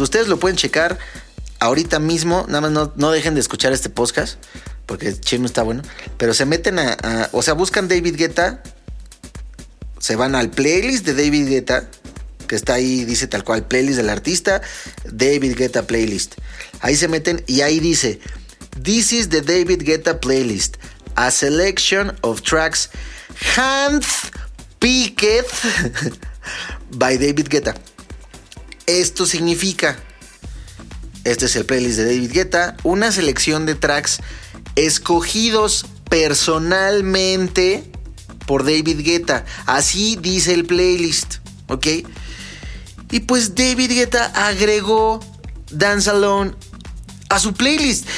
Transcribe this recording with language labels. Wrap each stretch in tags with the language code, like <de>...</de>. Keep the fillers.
<es>Ustedes lo pueden checar ahorita mismo. Nada más no, no dejen de escuchar este podcast. Porque el chisme está bueno. Pero se meten a, a- O sea, buscan David Guetta. Se van al playlist de David Guetta. Que está ahí, dice tal cual, playlist del artista. David Guetta playlist. Ahí se meten y ahí dice.</es> <en>This is the David Guetta playlist. A selection of tracks. Hands Picked by David Guetta.</en> <es>Esto significa, este es el playlist de David Guetta, una selección de tracks escogidos personalmente por David Guetta. Así dice el playlist, ¿ok? Y pues David Guetta agregó Dance Alone a su playlist.</es>